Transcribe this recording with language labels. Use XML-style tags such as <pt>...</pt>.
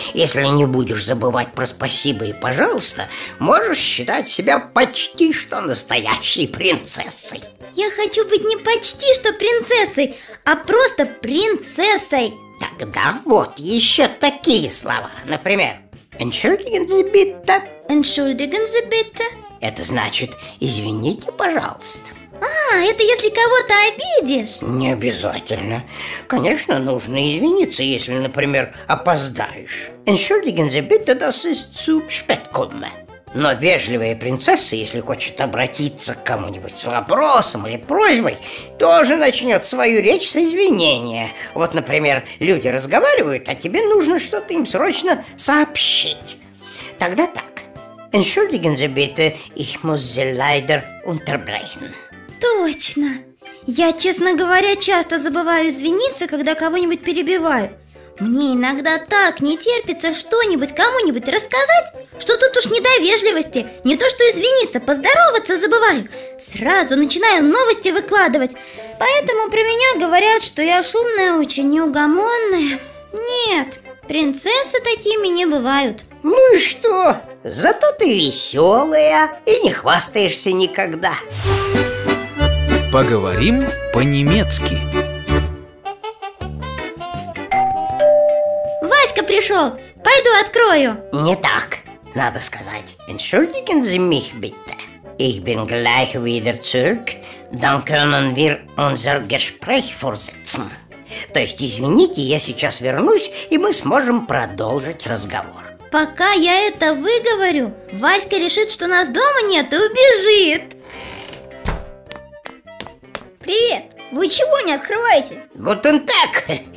<ru>Если не будешь забывать про спасибо и пожалуйста, можешь считать себя почти что настоящей принцессой. Я хочу быть не почти что принцессой, а просто принцессой. Тогда вот еще такие слова. Например:</ru> <de>Entschuldigen Sie bitte. Entschuldigen Sie bitte.</de> <ru>Это значит: извините, пожалуйста. А, это если кого-то обидишь? Не обязательно. Конечно, нужно извиниться, если, например, опоздаешь.</ru> <de>Entschuldigen Sie bitte, das ist zu spät gekommen.</de> <ru>Но вежливая принцесса, если хочет обратиться к кому-нибудь с вопросом или просьбой, тоже начнет свою речь с извинения. Вот, например, люди разговаривают, а тебе нужно что-то им срочно сообщить. Тогда так:</ru> <de>Entschuldigen Sie bitte, ich muss Sie leider unterbrechen.</de> <ru>Точно! Я, честно говоря, часто забываю извиниться, когда кого-нибудь перебиваю. Мне иногда так не терпится что-нибудь кому-нибудь рассказать, что тут уж не до вежливости, не то что извиниться, поздороваться забываю. Сразу начинаю новости выкладывать. Поэтому про меня говорят, что я шумная, очень неугомонная. Нет, принцессы такими не бывают. Ну и что? Зато ты веселая и не хвастаешься никогда. Поговорим по-немецки. Васька пришел, пойду открою. Не так, надо сказать:</ru> <de>Entschuldigen Sie mich bitte. Ich bin gleich wieder zurück. Dann können wir unser Gespräch fortsetzen.</de> <ru>То есть: извините, я сейчас вернусь, и мы сможем продолжить разговор. Пока я это выговорю, Васька решит, что нас дома нет, и убежит. Привет! Вы чего не открываете? Вот он так!</ru>